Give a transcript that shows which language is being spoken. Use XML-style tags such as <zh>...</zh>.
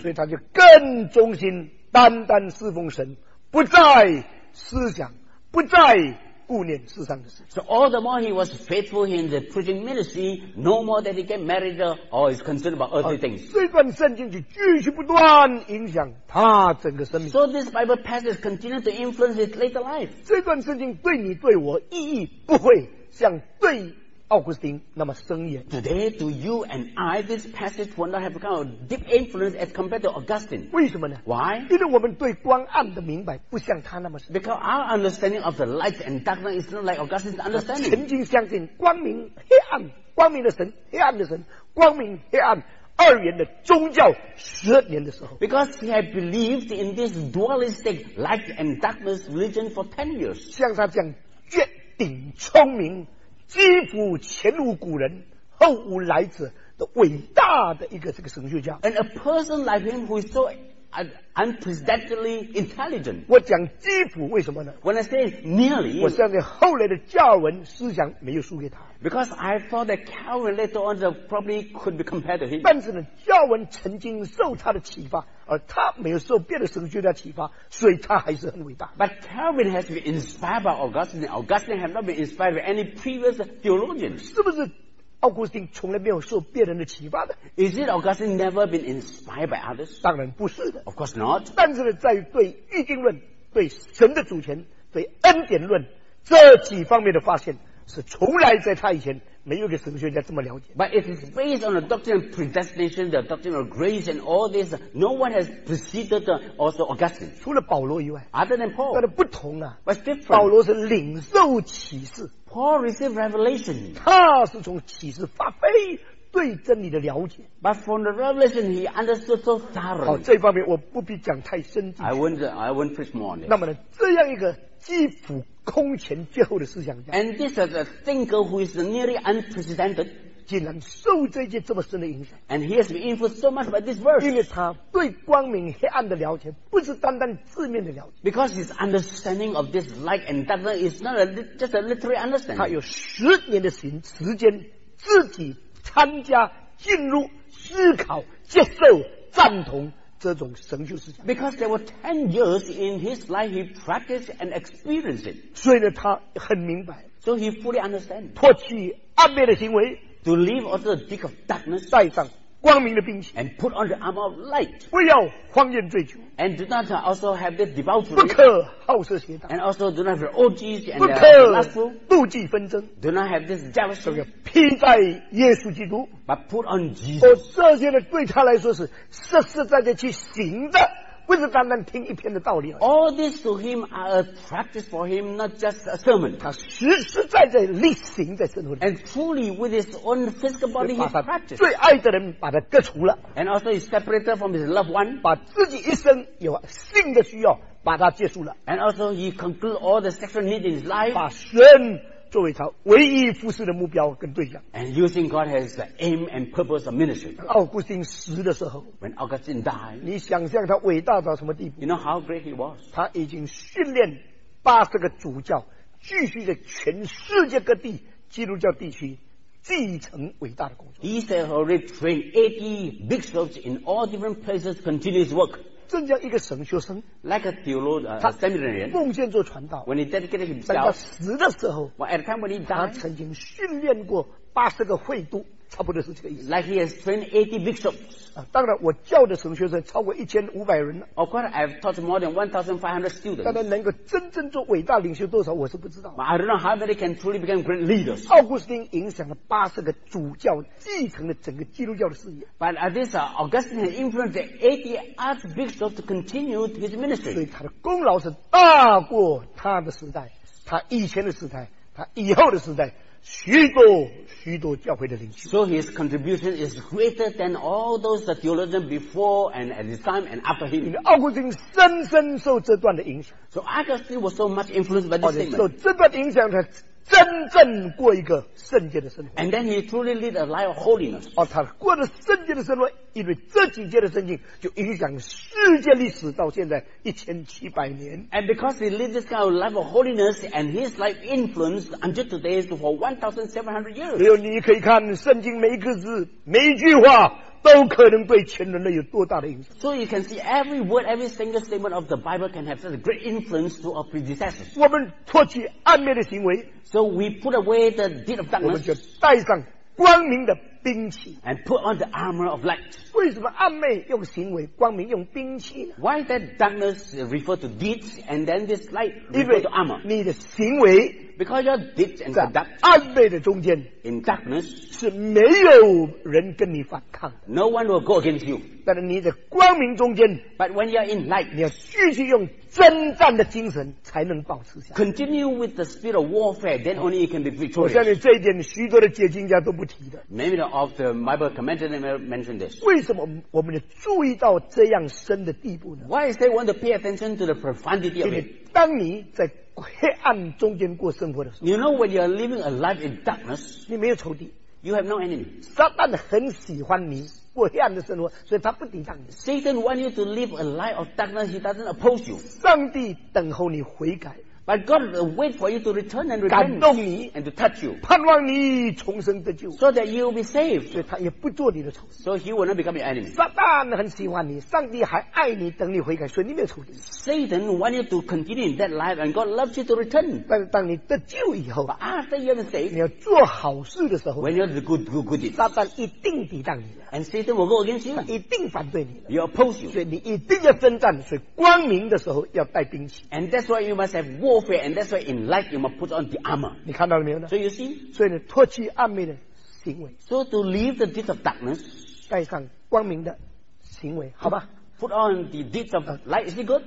<zh>所以他就更忠心，单单侍奉神，不再思想，不再顾念世上的事。</zh> <en>So all the more he was faithful in the preaching ministry, no more that he get married or is concerned about earthly things.</en> <zh>这段圣经就继续不断影响他整个生命。</zh> <en>So this Bible passage continued to influence his later life.</en> <zh>这段圣经对你对我意义不会。像对奥古斯丁那么深远。</zh> <en>Today, to you and I, this passage will not have kind of deep influence as compared to Augustine.</en> <zh>为什么呢</zh> <en>？Why?</en> <zh>因为我们对光暗的明白不像他那么深。</zh> <en>Because our understanding of the light and darkness is not like Augustine's understanding.</en> <zh>曾经相信光明黑暗，光明的神，黑暗的神，光明黑暗。二元的宗教十二年的时候</zh> <en>，because he had believed in this dualistic light and darkness religion for 10 years.</en> <zh>像他这样决顶聪明，几乎前无古人，后无来者的伟大的一个这个神学家。</zh> <en>And a person like him who is so unprecedentedly intelligent.</en> <zh>我讲几乎为什么呢</zh> <en>？When I say nearly,</en> <zh>我相信后来的加尔文思想没有输给他。</zh> <en>Because I thought that Calvin later on probably could be compared to him.</en> <zh>但是呢，加尔文曾经受他的启发，而他没有受别的神学家启发，所以他还是很伟大。</zh> <en>But Calvin has been inspired by Augustine. Augustine has not been inspired by any previous theologian.</en> <zh>是不是？奥古斯丁从来没有受别人的启发的。</zh> <en>Is it Augustine never been inspired by others?</en> <zh>当然不是的。</zh> <en>Of course not.</en> <zh>但是呢，在对预定论、对神的主权、对恩典论这几方面的发现，是从来在他以前没有一个神学家这么了解。</zh> <en>But it is based on the doctrine of predestination, the doctrine of grace, and all this. No one has preceded also Augustine.</en> <zh>除了保罗以外</zh> <en>，other than Paul，</en> <zh>但是不同啊。</zh> <en>But different.</en> <zh>保罗是领受启示。</zh> <en>Paul received revelation.</en> <zh>他是从启示发挥对真理的了解。</zh> <en>But from the revelation, he understood so thoroughly.</en> <zh>好，这方面我不必讲太深进去。</zh> <en>I won't preach more on it.</en> <zh>那么呢，这样一个几乎空前绝后的思想家。</zh> <en>And this is a thinker who is nearly unprecedented.</en> <zh>竟然受这些这么深的影响。</zh> <en>And he has been influenced so much by this verse.</en> <zh>因为他对光明黑暗的了解，不是单单字面的了解。</zh> <en>Because his understanding of this light and darkness is not just a literary understanding.</en> <zh>他有十年的时间自己参加、进入、思考、接受、赞同这种神学思想。</zh> <en>Because there were 10 years in his life, he practiced and experienced it.</en> <zh>所以呢，他很明白。</zh> <en>So he fully understands.</en> <zh>脱去暗昧的行为。</zh> <en>To leave also the deck of darkness.</en> <zh>带上光明的兵器。</zh> <en>And put on the armor of light.</en> <zh>不要荒宴醉酒。</zh> <en>And do not also have the debauchery.</en> <zh>不可好色邪道。</zh> <en>And also do not have the orgies and the lustful.</en> <zh>妒忌纷争。</zh> <en>Do not have this jealousy.</en> <zh>所以披戴耶稣基督。</zh> <en>But put on Jesus.</en> <zh>哦，这些呢，对他来说是实实在在去行的。不是单单听一篇的道理。</zh> <en>All this to him are a practice for him, not just a sermon.</en> <zh>他实实在在力行在生活里。</zh> <en>And truly with his own physical body, he practiced.</en> <zh>最爱的人把他隔除了。</zh> <en>And also he separated from his loved one.</en> <zh>把自己一生有性的需要把他结束了。</zh> <en>And also he concluded all the sexual needs in his life.</en> <zh>把神作为他唯一服事的目标跟对象。</zh> <en>And using God as the aim and purpose of ministry.</en> <zh>奥古斯丁死的时候</zh> <en>，When Augustine died，</en> <zh>你想象他伟大到什么地步</zh> <en>？You know how great he was.</en> <zh>他已经训练八十个主教，继续在全世界各地基督教地区继承伟大的工作。</zh> <en>He said he already trained 80 bishops in all different places to continue his work.</en> <zh>正像一个神学生</zh> <en>，like a theologian，</en> <zh>他</zh> <en>seminary</en> <zh>奉献做传道。</zh> <en>When he dedicated himself，</en> <zh>在他死的时候</zh> <en>，at the time when he died，</en> <zh>他曾经训练过八十个会都，差不多是这个意思。</zh> <en>Like he has trained 80 bishops。</en> <zh>当然，我教的神学生超过1500人了。</zh> <en>Of course, I've taught more than 1,500 students。</en> <zh>但是能够真正做伟大领袖多少，我是不知道。</zh> <en>But、I don't know how many can truly become great leaders。</en> <zh>奥古斯丁影响了八十个主教，继承了整个基督教的事业。</zh> <en>But at this, Augustine has influenced 80 archbishops to continue his ministry。</en> <zh>所以他的功劳是大过他的时代，他以前的时代，他以后的时代。许多许多教会的领袖。</zh> <en>So his contribution is greater than all those the theologians before and at his time and after him.</en> <zh>奥古斯丁深深受这段的影响。</zh> <en>So Augustine was so much influenced by this statement.</en> <zh>受这段影响，他真正过一个圣洁的生活。</zh> <en>And then he truly lived a life of holiness.</en> <zh>哦，他过了圣洁的生活，因为这几节的圣经就影响世界历史到现在1700年。</zh> <en>And because he lived this kind of life of holiness, and his life influenced until today for 1,700 years.</en> <zh>只有你可以看圣经每一个字、每一句话。都可能对全人类有多大的影响。</zh> <en>So you can see every word, every single statement of the Bible can have such a great influence to our predecessors.</en> <zh>我们脱去暗昧的行为。</zh> <en>So we put away the deed of darkness.</en> <zh>我们就带上光明的兵器。</zh> <en>And put on the armor of light.</en> <zh>为什么暗昧用行为，光明用兵器呢</zh> <en>？Why that darkness refer to deeds and then this light refer to armor?</en> <zh>你的行为。</zh> <en>Because your deeds and conduct</en> <zh>在暗昧的中间</zh> <en>，in darkness</en> <zh>是没有人跟你反抗</zh> <en>，no one will go against you。</en> <zh>但是你在光明中间</zh> <en>，but when you're in light，</en> <zh>你要继续用征战的精神才能保持下。</zh> <en>Continue with the spirit of warfare, then only you can be victorious。</en> <zh>我相信这一点，许多的解经家都不提的。</zh> <en>Maybe the of the Bible commentary mentioned this.</en> <zh>为什么我们注意到这样深的地步呢？</zh> <en>Why is they want to pay attention to the profundity of it?</en> <zh>当你在黑暗中间过生活的时候，</zh> <en>You know when you are living a life in darkness,</en> <zh>你没有仇敌。</zh> <en>You have no enemy.</en> <zh>撒旦很喜欢你过黑暗的生活，所以他不抵挡你。</zh> <en>Satan wants you to live a life of darkness. He doesn't oppose you.</en> <zh>上帝等候你悔改。</zh> <en>But God waits for you to return and repent.</en> <zh>感动你</zh> <en>and to touch you.</en> <zh>盼望你重生得救。</zh> <en>So that you will be saved.</en> <zh>所以他也不做你的仇敌。</zh> <en>So he will not become your enemy.</en> <zh>撒旦很喜欢你，上帝还爱你，等你悔改，所以你没有仇敌。</zh> <en>Satan wants you to continue in that life, and God loves you to return.</en> <zh>但当你得救以后，</zh> <en>But、after you have been saved,</en> <zh>你要做好事的时候，</zh> <en>when you do good deeds,</en> <zh>撒旦一定抵挡你。</zh> <en>And Satan will go against you.</en> <zh>一定反对你。</zh> <en>He opposes you.</en> <zh>所以你一定要征战，所以光明的时候要带兵器。</zh> <en>And that's why you must have war. And that's why in life you must put on the armor.</en> <zh>你看到了没有呢？</zh> <en>So you see?</en> <zh>所以呢，脱去暗昧的行为。</zh> <en>So to leave the deeds of darkness,</en> <zh>带上光明的行为，好吧？</zh> <en>Put on the deeds of light. Is it good?</en>